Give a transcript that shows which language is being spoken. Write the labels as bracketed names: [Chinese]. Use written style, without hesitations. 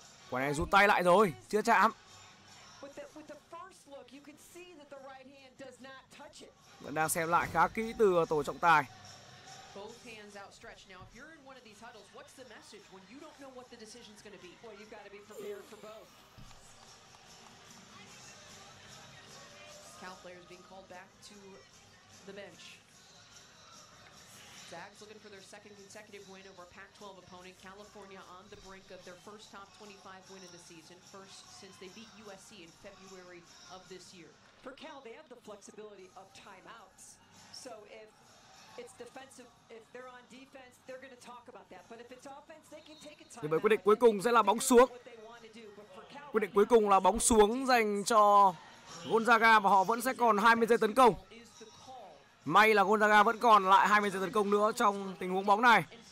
[Vietnamese] Quả này rút tay lại rồi, chưa chạm. [English] With the first look, you can see that the right hand does not touch it. [Vietnamese] Vẫn đang xem lại khá kỹ từ tổ trọng tài. [English] Both hands outstretched. Now, if you're in one of these huddles, what's the message when you don't know what the decision's going to be? Well, you've got to be prepared for both. Cal players being called back to the bench. Zags looking for their second consecutive win over a Pac-12 opponent. California on the brink of their first top 25 win of the season. First since they beat USC in February of this year. For Cal, they have the flexibility of timeouts. So if it's defensive, if they're on defense, they're going to talk about that. But if it's offense, they can take a timeout. [Vietnamese] Vậy quyết định cuối cùng sẽ là bóng xuống. Quyết định cuối cùng là bóng xuống dành cho Gonzaga và họ vẫn sẽ còn 20 giây tấn công. May là Gonzaga vẫn còn lại 20 giây tấn công nữa trong tình huống bóng này.